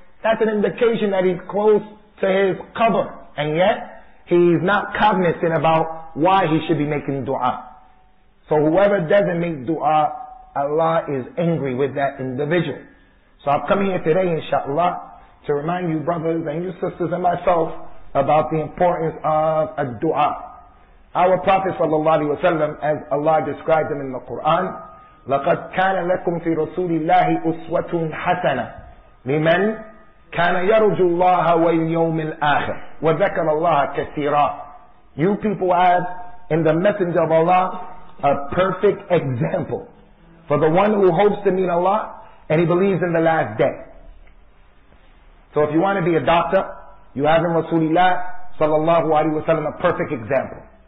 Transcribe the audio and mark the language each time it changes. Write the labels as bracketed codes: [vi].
[en] That's an indication that he's close to his qabr. And yet, he's not cognizant about why he should be making dua. So whoever doesn't make dua, Allah is angry with that individual. So I've come here today, inshallah, to remind you brothers and you sisters and myself about the importance of a dua. Our Prophet sallallahu alaihi wasallam, as Allah described him in the Qur'an, [ar] لَقَدْ كَانَ لَكُمْ فِي رَسُولِ اللَّهِ أُسْوَةٌ حَسَنًا لِمَنْ كَانَ يَرُجُ اللَّهَ وَالْيَوْمِ الْآخِرِ وَذَكَرَ اللَّهَ كَثِيرًا. [en] You people have in the Messenger of Allah a perfect example for the one who hopes to meet Allah and he believes in the last day. So if you want to be a doctor, you have in Rasulullah sallallahu alaihi wasallam a perfect example.